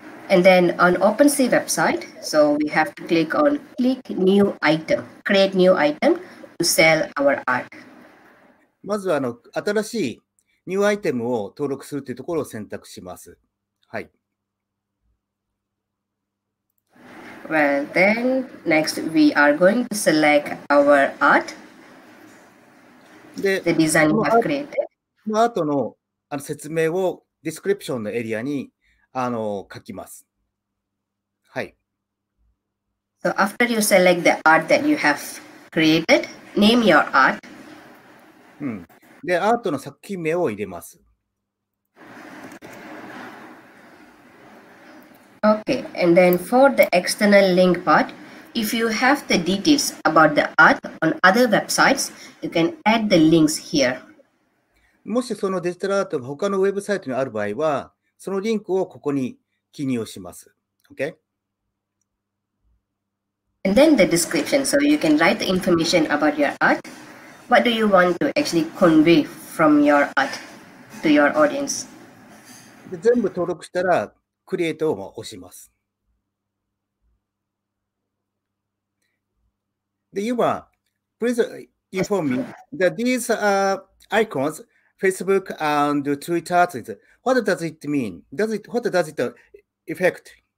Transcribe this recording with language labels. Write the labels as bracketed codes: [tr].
[en] And then on OpenSea website, so we have to click on click new item, create new item to sell our art. [ja] まずは新しいニューアイテムを登録するというところを選択します。はい。 [en] Well, then next we are going to select our art, the design we have created. [ja] この後の、あの説明をディスクリプションのエリアにあの書きます。はい。 [en] So after you select the art that you have created, name your art. [ja] うん。で、アートの作品名を入れます。 [en] Okay, and then for the external link part, if you have the details about the art on other websites, you can add the links here. [ja] もしそのデジタルアートが他のウェブサイトにある場合は、そのリンクをここに記入します。 [en] Okay? And then the description, so you can write the information about your art. What do you want to actually convey from your art to your audience? [ja] で、全部登録したら、クリエイトを押します。で、今、 [en] please inform me that these icons, Facebook and Twitter, what does it mean? Does it, what does it affect?